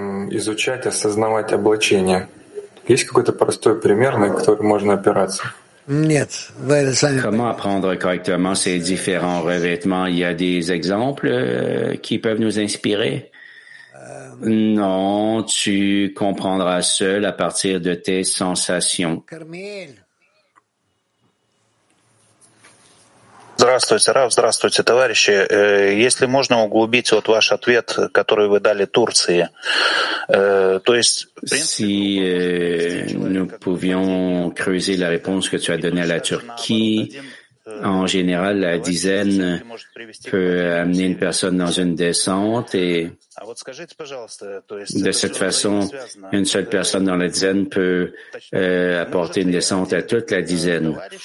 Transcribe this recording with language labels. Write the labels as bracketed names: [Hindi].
[Russian] Изучать, осознавать облачение. Есть какой-то простой пример, на который можно опираться? Нет, вы сами. [French] Comment apprendre correctement ces différents revêtements? Il y a des exemples qui peuvent nous inspirer? Non, tu comprendras seul à partir de tes sensations. [Russian] Кармиэль. Здравствуйте, Раф, здравствуйте, товарищи. Если можно углубить вот ваш ответ, который вы дали Турции, то есть... [French] Si nous pouvions creuser la réponse que tu as donnée à la Turquie, en général, la dizaine peut amener une personne dans une descente et de cette façon, une seule personne dans la dizaine peut apporter une descente à toute la dizaine.